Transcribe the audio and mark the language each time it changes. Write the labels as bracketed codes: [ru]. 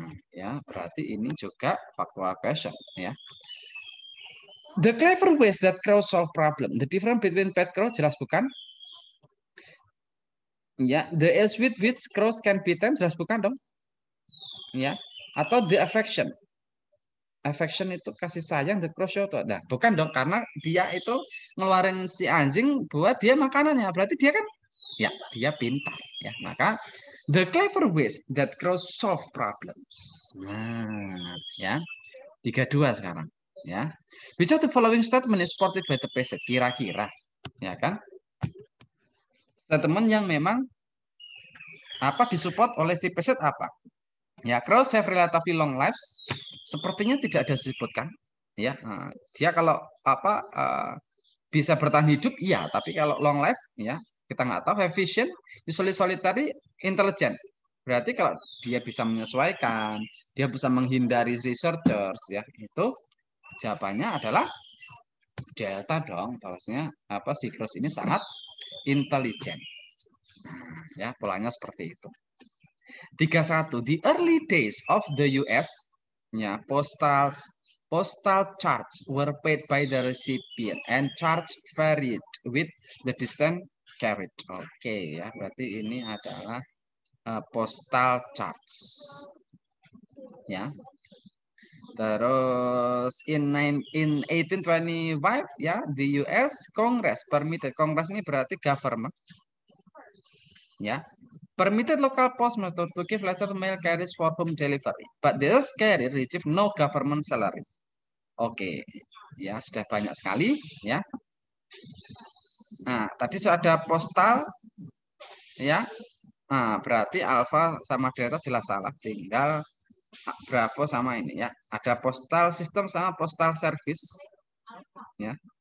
[id] Ya, berarti ini juga factual question, ya. [en] The clever ways that crows solve problem. The difference between pet crows [id] jelas bukan? [en] Ya, the ease with which crows can be tamed [id] jelas bukan dong? Ya, atau [en] the affection. [id] affection itu kasih sayang dan crucial tuh. Nah, bukan dong, karena dia itu ngeluarin si anjing buat dia makanannya. Berarti dia kan, ya, dia pintar. Ya, maka [en] the clever ways that crows solve problems. [id] Nah, ya. 3-2 sekarang, ya. [en] Which of the following statement is supported by the passage? [id] Kira-kira, ya kan? Statement yang memang apa disupport oleh si passage apa? [en] Ya, crows have relatively long lives. [id] Sepertinya tidak ada disebutkan, ya. Dia kalau apa bisa bertahan hidup, iya. Tapi kalau long life, ya kita nggak tahu. [en] Efficient, usually solitary, intelligent. [id] Berarti kalau dia bisa menyesuaikan, dia bisa menghindari researchers, ya itu jawabannya adalah delta dong. Bahwasanya apa si cross ini sangat intelligent, ya polanya seperti itu. [en] 3-1. The early days of the US. Ya, postal charge were paid by the recipient and charge varied with the distance carried. [id] Oke, ya, berarti ini adalah postal charge. [en] Ya. [id] Terus [en] in 1825, ya, the US Congress permitted. [id] Congress ini berarti government. Ya. [en] Permitted local postmaster to give letter mail carriers for home delivery, but this carrier receive no government salary. Oke, okay. [id] Ya sudah banyak sekali, ya. Nah, tadi sudah ada postal, ya. Nah, berarti alpha sama delta jelas salah, tinggal bravo sama ini, ya. Ada postal system sama postal service, ya.